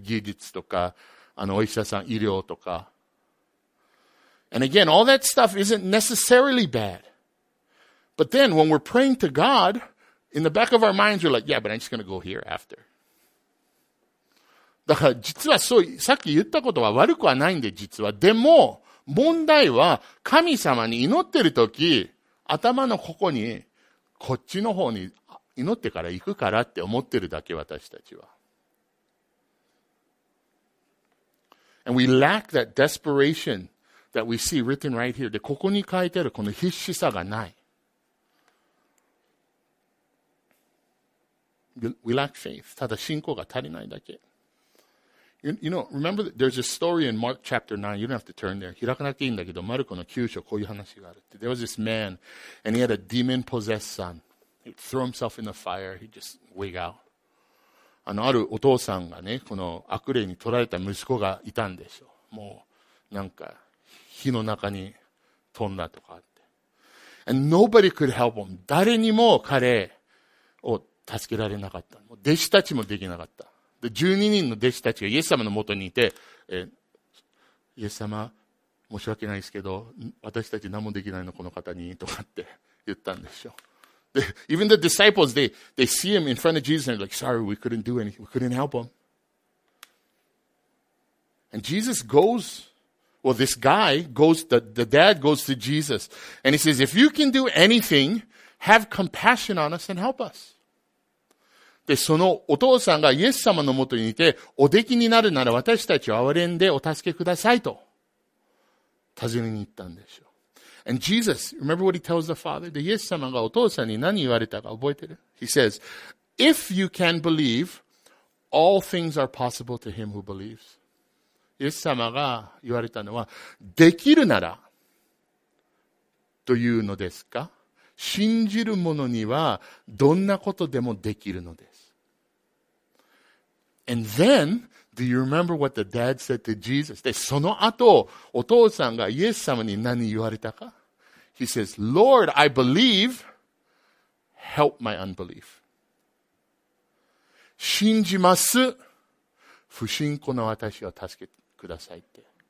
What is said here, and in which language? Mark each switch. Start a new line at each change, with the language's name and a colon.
Japanese: 技術とか、お医者さん、医療とか。
English: And again, all that stuff isn't necessarily bad. But then, when we're praying to God, in the back of our minds, we're like, yeah, but I'm just going to go here after.
Japanese: だから、実はそう、さっき言ったことは悪くはないんで、実は。でも、問題は神様に祈ってるとき、頭のここに、こっちの方に祈ってから行くからって思ってるだけ、私たちは。
English: And we lack that desperation that we see written right here.
Japanese: で、ここに書いてあるこの必死さがない。
English: We lack faith.
Japanese: ただ信仰が足りないだけ。
English: You know, remember that there's a story in Mark chapter 9. You don't have to turn there.
Japanese: 開かなくていいんだけど、マルコの9章こういう話がある。
English: There was this man, and he had a demon-possessed son. He would throw himself in the fire. He'd just wig out.
Japanese: あるお父さんがね、この悪霊に捕らえた息子がいたんでしょう。もう、なんか、火の中に飛んだとかって。
English: And nobody could help him.
Japanese: 誰にも彼を助けられなかった。もう弟子たちもできなかった。で12人の弟子たちがイエス様の元にいて、イエス様、申し訳ないですけど、私たち何もできないの、この方に、とかって言ったんでしょう。
English: で、even the disciples, they see him in front of Jesus and they're like, sorry, we couldn't do anything, we couldn't help him. And Jesus goes, well, this guy goes, the dad goes to Jesus and he says, if you can do anything, have compassion on us and help us.
Japanese: で、そのお父さんがイエス様のもとにいて、お出来になるなら私たちを憐れんでお助けくださいと、尋ねに行ったんでしょう。
English: And Jesus, remember what he tells the father?
Japanese: で、イエス様がお父さんに何言われたか覚えてる?
English: He says, if you can believe, all things are possible to him who believes.
Japanese: イエス様が言われたのは、できるなら、というのですか? 信じる者にはどんなことでもできるのです。
English: And then, do you remember what the dad said to Jesus?
Japanese: で、その後、お父さんがイエス様に何言われたか?
English: He says, Lord, I believe, help my unbelief.
Japanese: 信じます。不信仰の私を助けてくださいって。